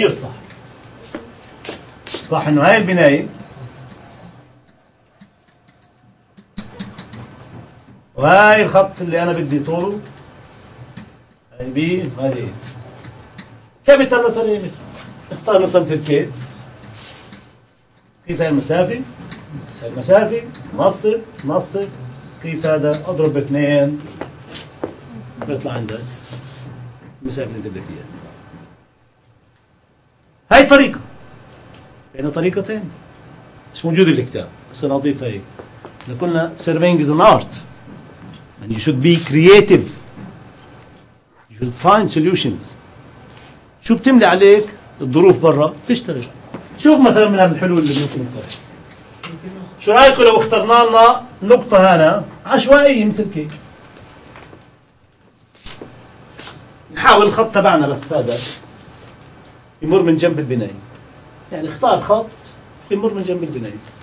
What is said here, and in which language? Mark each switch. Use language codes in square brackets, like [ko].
[ar] هي الصح، صح انه هاي البنايه وهاي الخط اللي انا بدي طوله، هاي بي وهاي كم ثلاثة متر؟ اختار نقطة مثل كيف؟ قيس هاي المسافة، قيس هاي المسافة، نصب نصب، قيس هذا، اضرب باثنين، بيطلع عندك المسافة اللي انت بدك اياها. هاي طريقة، عندنا طريقتين مش موجودة بالكتاب، بس انا اضيفها هيك. اذا قلنا [en] Serving as an art, and you should be creative. You should find solutions. [ar] شو بتملي عليك الظروف برا تشتغل. شوف مثلا من الحلول اللي ممكن نقترحها، شو رايكم لو اخترنا لنا نقطة هنا عشوائية مثل كيف؟ نحاول الخط تبعنا بس هذا يمر من جنب البناية، يعني اختار خط يمر من جنب البناية.